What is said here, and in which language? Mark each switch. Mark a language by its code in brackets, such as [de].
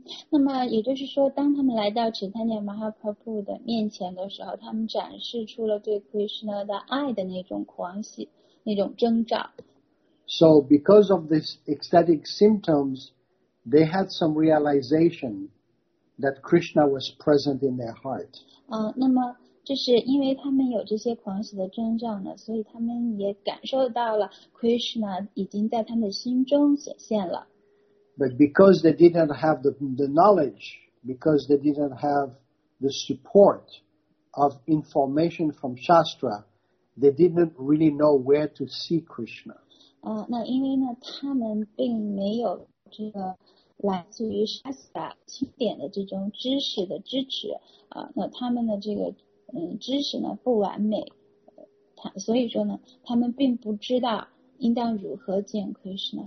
[zh] 那么也就是说，当他们来到 Chaitanya Mahaprabhu 的面前的时候，他们展示出了对 Krishna 的爱的那种狂喜，那种征兆。 [en] So because of these ecstatic symptoms, they had some realization that Krishna was present in their heart. [zh] 那么就是因为他们有这些狂喜的征兆呢，所以他们也感受到了 Krishna 已经在他们的心中显现了。 [en] But because they didn't have the knowledge, because they didn't have the support of information from Shastra, they didn't really know where to see Krishna. [zh] 那因为呢，他们并没有这个来自于 Shastra 经典的这种知识的支持，那他们的这个知识呢不完美，所以说呢，他们并不知道应当如何见 Krishna.